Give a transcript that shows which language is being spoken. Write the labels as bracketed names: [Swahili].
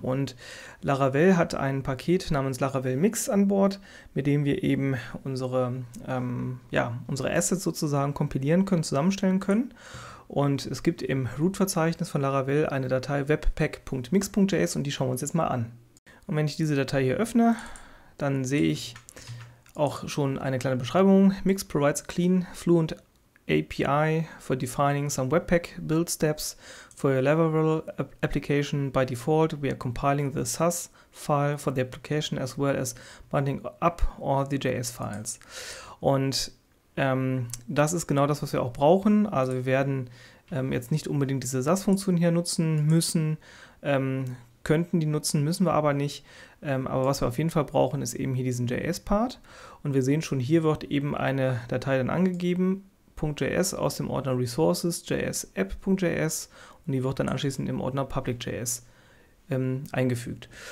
[German] Und Laravel hat ein Paket namens Laravel Mix an Bord, mit dem wir eben unsere Assets sozusagen kompilieren können, zusammenstellen können. Und es gibt im Root-Verzeichnis von Laravel eine Datei webpack.mix.js und die schauen wir uns jetzt mal an. Und wenn ich diese Datei hier öffne, dann sehe ich auch schon eine kleine Beschreibung. [English] Mix provides a clean, fluent API for defining some Webpack build steps for your Laravel application. By default, we are compiling the SAS file for the application as well as binding up all the JS files. [German] Und das ist genau das, was wir auch brauchen. Also wir werden jetzt nicht unbedingt diese SAS-Funktion hier nutzen müssen, könnten die nutzen, müssen wir aber nicht. Aber was wir auf jeden Fall brauchen, ist eben hier diesen JS-Part. Und wir sehen schon, hier wird eben eine Datei dann angegeben, .js aus dem Ordner Resources, js-app.js, und die wird dann anschließend im Ordner public.js eingefügt.